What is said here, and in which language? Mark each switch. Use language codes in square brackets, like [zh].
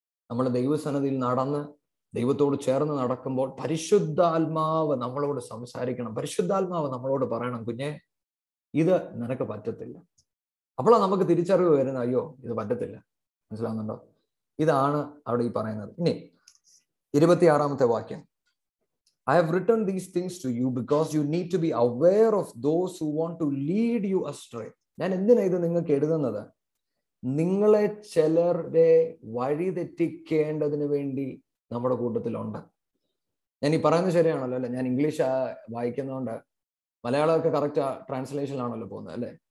[ml] നമ്മൾ ദൈവസന്നിധിയിൽ നടന്ന് ദൈവത്തോട് ചേർന്ന് നടക്കുമ്പോൾ പരിശുദ്ധാത്മാവ് നമ്മളോട് സംസാരിക്കണം. പരിശുദ്ധാത്മാവ് നമ്മളോട് പറയണം, കുഞ്ഞെ ഇത് നിനക്ക് പറ്റത്തില്ല. അപ്പോഴാണ് നമുക്ക് തിരിച്ചറിവ് വരുന്നത്, അയ്യോ ഇത് പറ്റത്തില്ല, മനസ്സിലാകുന്നുണ്ടോ? ഇതാണ് അവിടെ ഈ പറയുന്നത്. ഇനി 26-ാമത്തെ വാക്യം, [en] I have written these things to you because you need to be aware of those who want to lead you astray. [ml] ഞാൻ എന്തിനാണ് ഇത് നിങ്ങൾക്ക് എഴുതുന്നത്? നിങ്ങളെ ചിലരെ വഴിതെറ്റിക്കേണ്ടതിന് വേണ്ടി നമ്മുടെ കൂട്ടത്തിലുണ്ട്. ഞാൻ ഈ പറയുന്നത് ശരിയാണല്ലോ അല്ലേ? ഞാൻ ഇംഗ്ലീഷ് വായിക്കുന്നതുകൊണ്ട് മലയാളമൊക്കെ കറക്റ്റ് ട്രാൻസ്ലേഷനാണല്ലോ പോകുന്നത് അല്ലേ?